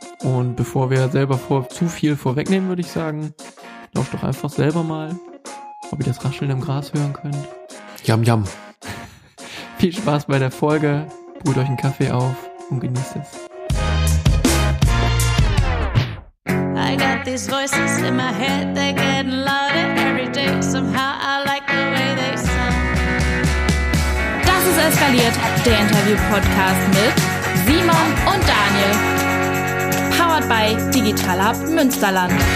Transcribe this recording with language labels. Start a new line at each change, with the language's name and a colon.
German: Und bevor wir selber zu viel vorwegnehmen, würde ich sagen, lauft doch einfach selber mal, ob ihr das Rascheln im Gras hören könnt. Jam, jam. Viel Spaß bei der Folge, brüht euch einen Kaffee auf und genießt es.
English: I got these voices in my head, they're getting louder every day. Somehow I like the way they sound.
German: Das ist Eskaliert, der Interview-Podcast mit Simon und Daniel. Powered by Digital Hub Münsterland.